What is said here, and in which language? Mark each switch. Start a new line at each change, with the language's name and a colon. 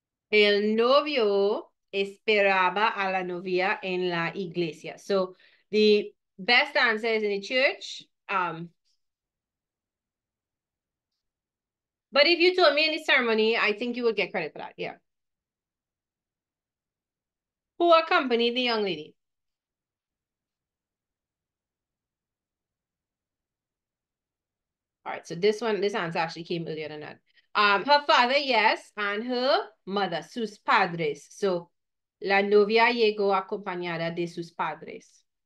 Spanish: El novio esperaba a la novia en la iglesia.
English: So the best answer is in the church. But if you told me in the ceremony, I think you would get credit for that. Yeah. Who accompanied the young lady? All right. So this answer actually came earlier than that. Her father, yes, and her mother, sus padres.
Spanish: So la novia llegó acompañada de sus padres.